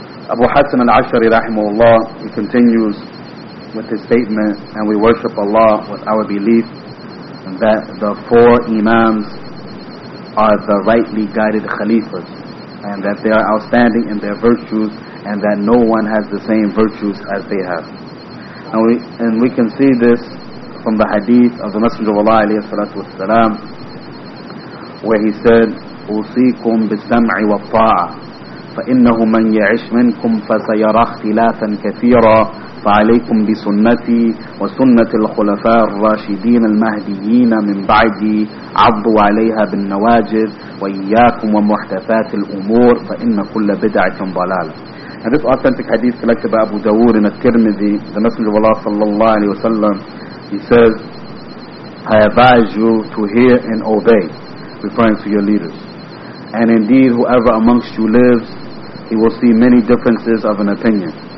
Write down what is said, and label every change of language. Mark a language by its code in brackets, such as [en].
[en] Abu Hassan al-Ashari rahimahullah, he continues with his statement, and we worship Allah with our belief that the four imams are the rightly guided khalifas, and that they are outstanding in their virtues, and that no one has the same virtues as they have. And we can see this from the hadith of the Messenger of Allah alayhi salatu wasalam, where he said, [ar] أُوصِيكُمْ بِالسَّمْعِ وَالطَّاعَةِ فَإِنَّهُ مَنْ يَعِشْ مِنْكُمْ فَسَيَرَى اخْتِلَافًا كَثِيرًا فَعَلَيْكُمْ بِسُنَّتِي وَسُنَّةِ الْخُلَفَاءِ الرَّاشِدِينَ الْمَهْدِيِّينَ مِنْ بَعْدِي عَضُّوا عَلَيْهَا بِالنَّوَاجِذِ وَإِيَّاكُمْ وَمُحْدَثَاتِ الْأُمُورِ فَإِنَّ كُلَّ بِدْعَةٍ ضَلَالَةٍ. [en] And this authentic hadith collected by Abu Dawood in al-Tirmidhi, the Messenger of Allah sallallahu alayhi wa sallam, he says, I advise you to hear and obey, referring to your leaders. And indeed, whoever amongst you lives, he will see many differences of an opinion.